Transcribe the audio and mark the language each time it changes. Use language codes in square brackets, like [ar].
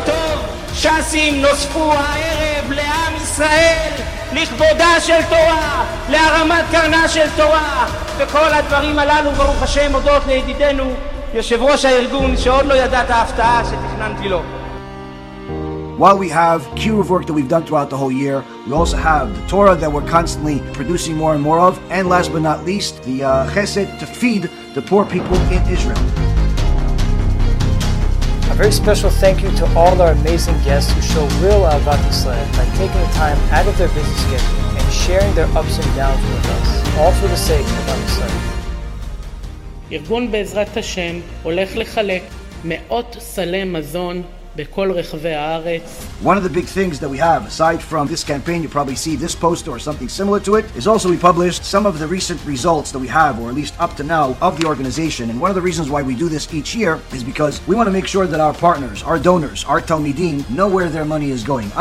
[he] טוב, ש"סים נוספו הערב לעם ישראל, לכבודה של תורה, להרמת קרנה של תורה, וכל הדברים הללו, ברוך השם, הודות לידידינו, יושב ראש הארגון, שעוד לא ידע את ההפתעה שתכננתי לו. [en] While we have Kiruv work that we've done throughout the whole year, we also have the Torah that we're constantly producing more and more of, and last but not least, the Chesed to feed the poor people in Israel. A very special thank you to all our amazing guests who show real Ahavat Yisrael by taking the time out of their busy schedule and sharing their ups and downs with us, all for the sake of Ahavat Yisrael. [he] ארגון בעזרת השם הולך לחלק מאות סלי מזון בכל רחבי הארץ. [en] One of the big things that we have, aside from this campaign, you probably see this poster or something similar to it, is also we published some of the recent results that we have, or at least up to now, of the organization. And one of the reasons why we do this each year is because we want to make sure that our partners, our donors, our Talmidim, know where their money is going.